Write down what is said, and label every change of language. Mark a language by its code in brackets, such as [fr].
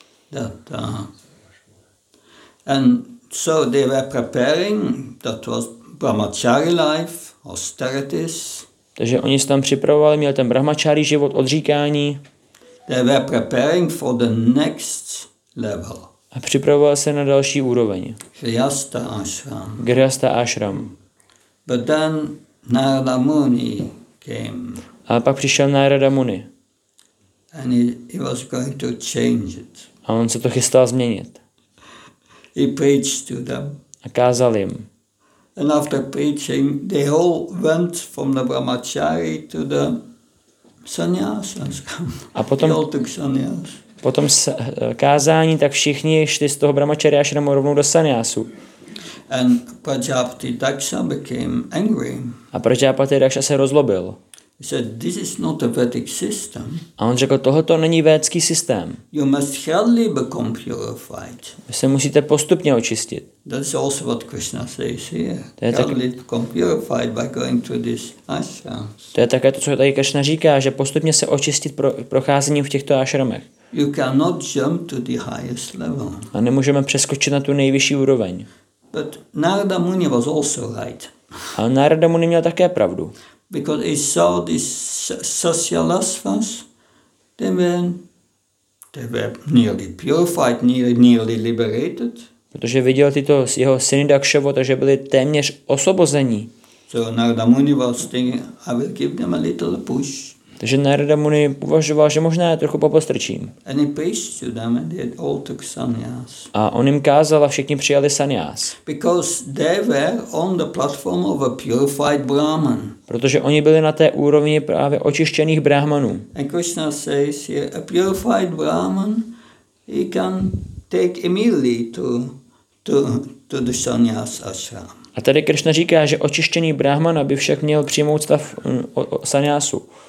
[en] That, and so they were preparing, that was brahmachari life, austerities. [cs] Takže oni se tam připravovali, měli ten brahmachari život, odříkání. [en] They were preparing for the next level. [cs] A připravovali se na další úroveň. [en] Grihastha ashram. [cs] Grihastha ashram. [en] But then Narada Muni came. [cs] A pak přišel Narada Muni. [en] And he was going to change it. [cs] A on se to chystal změnit. [en] He preached to them. [cs] A kázal jim. [en] And after preaching, they all went from the brahmachari to the sannyasas. [cs] A potom, [en] they all took sannyas. [cs] Potom se kázání, tak všichni šli z toho brahmachari a šli rovnou do sannyasu. [en] And Prajapati Daksa became angry. [cs] A Prajapati Daksa se rozlobil. [en] He said, "This is not a Vedic system." [cs] A on řekl, tohoto není védský systém. [en] You must hardly become purified. [cs] Vy se musíte postupně očistit. [en] That is also what Krishna says here. Hardly become purified by going through this ashram. [cs] To je také to, co tady Krishna říká, že postupně se očistit procházením v těchto ashramech. [en] You cannot jump to the highest level. [cs] A nemůžeme přeskočit na tu nejvyšší úroveň. [en] But Narada Muni was also right. [cs] A Narada Muni měl také pravdu. [en] Because he saw these Sasyalasvas, they were nearly purified, nearly liberated. [cs] Protože viděl tyto jeho syny Dakshavo, takže byli téměř osvobození. [en] So Narada Muni was thinking, I will give them a little push. [cs] Takže Narada Muni uvažoval, že možná je trochu popostrčím. [en] And he preached to them and they all took sannyas. [cs] A on jim kázal a všichni přijali sannyas. [en] Because they were on the platform of a purified brahman. [cs] Protože oni byli na té úrovni právě očištěných brahmanů. [en] And Krishna says here, a purified brahman, he can take immediately to the sannyas ashram. [cs] A tady Krishna říká, že očištěný brahman by však měl přijmout stav sannyasu.